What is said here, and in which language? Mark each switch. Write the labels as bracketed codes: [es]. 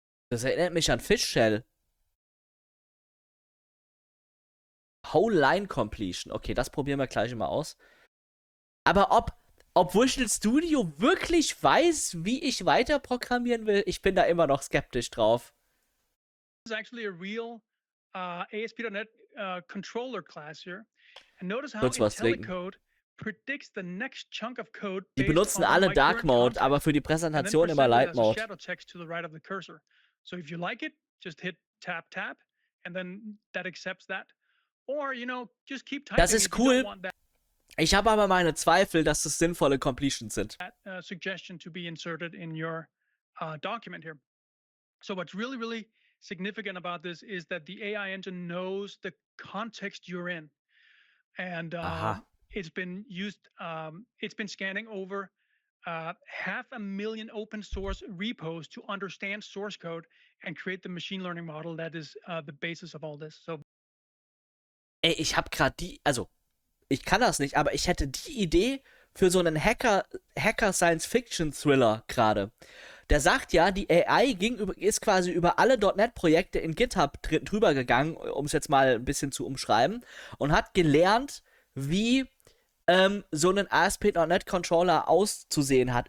[de] Das erinnert mich an Fish Shell. Whole Line Completion. Okay, das probieren wir gleich mal aus. Aber ob Visual Studio wirklich weiß, wie ich weiter programmieren will, ich bin da immer noch skeptisch drauf. [en] This is actually a real ASP.NET controller class here. And notice how IntelliCode predicts the next chunk of code. [de] Die benutzen alle Dark Mode, aber für die Präsentation immer Light Mode. [en] Shadow text to the right of the cursor. So if you like it, just hit tap, and then that accepts that. Or, you know, just keep typing. [de] Das ist cool. Ich habe aber meine Zweifel, dass das sinnvolle Completions sind. [en] That, suggestion to be inserted in your document here. So what's really, really significant about this is that the AI engine knows the context you're in. And it's been used, it's been scanning over 500,000 open source repos to understand source code and create the machine learning model that is the basis of all this. So, [de] ey, ich hab gerade die, also ich kann das nicht, aber ich hätte die Idee für so einen Hacker Science Fiction Thriller gerade. Der sagt ja, die AI ist quasi über alle .NET Projekte in GitHub drüber gegangen, um es jetzt mal ein bisschen zu umschreiben, und hat gelernt, wie so einen ASP.NET Controller auszusehen hat.